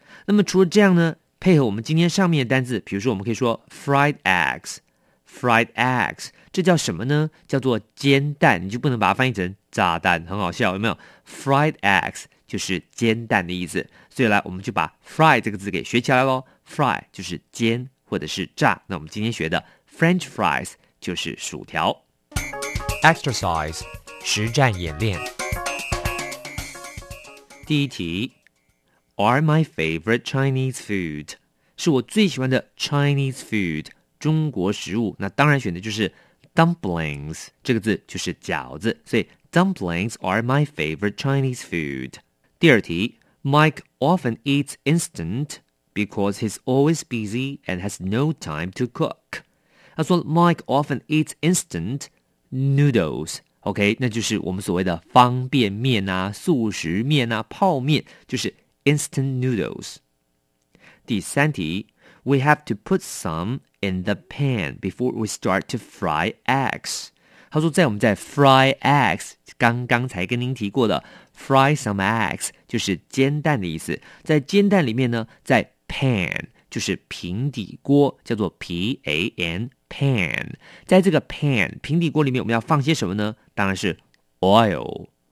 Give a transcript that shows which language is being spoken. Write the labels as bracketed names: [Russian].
[Chinese] 那么除了这样呢配合我们今天上面的单字比如说我们可以说 fried eggs fried eggs 这叫什么呢叫做煎蛋你就不能把它翻译成炸蛋很好笑有没有 fried eggs 就是煎蛋的意思所以来我们就把 fry 这个字给学起来咯 fry 就是煎或者是炸那我们今天学的 french fries 就是薯条 exercise 实战演练 [English] 第一题 Are my favorite Chinese food [Chinese] 是我最喜欢的 [English] Chinese food 中国食物那当然选的就是 dumplings [Chinese] 这个字就是饺子所以 [English] dumplings are my favorite Chinese food 第二题 Mike often eats instant because he's always busy and has no time to cook [Chinese] 他说 [English] Mike often eats instant noodlesOK, [Chinese] 那就是我们所谓的方便面啊素食面啊泡面就是 instant noodles. [English] 第三题 We have to put some in the pan before we start to fry eggs. [Chinese] 他说在我们在 fry eggs, 刚刚才跟您提过的 [English] fry some eggs, [Chinese] 就是煎蛋的意思。在煎蛋里面呢在 pan, 就是平底锅叫做 P-A-N,Pan [English] 在这个 pan [Chinese] 平底锅里面我们要放些什么呢当然是 oil